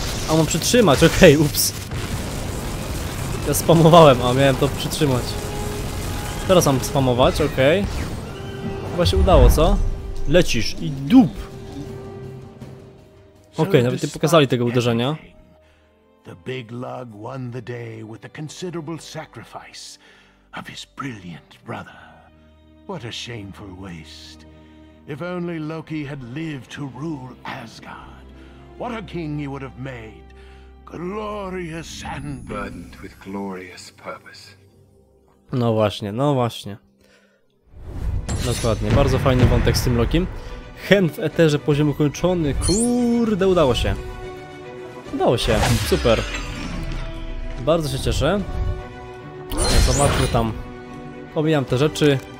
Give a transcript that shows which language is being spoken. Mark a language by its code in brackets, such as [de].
[pl] A mam przytrzymać, okej, okay, ups. Ja spamowałem, a miałem to przytrzymać. Teraz mam spamować, okej. Okay. Chyba się udało, co? Lecisz i dup! Okej, okay, nawet nie pokazali tego uderzenia. [en] The big lug won the day with a considerable sacrifice of his brilliant brother. What a shameful waste. If only Loki had lived to rule Asgard, what a king he would have made. Glorious and burdened with glorious purpose. [pl] No właśnie, no właśnie. Dokładnie, bardzo fajny wątek z tym Lokim. Hen w Eterze, poziom ukończony. Kurde, udało się. Udało się, super. Bardzo się cieszę. Zobaczmy tam. Pomijam te rzeczy.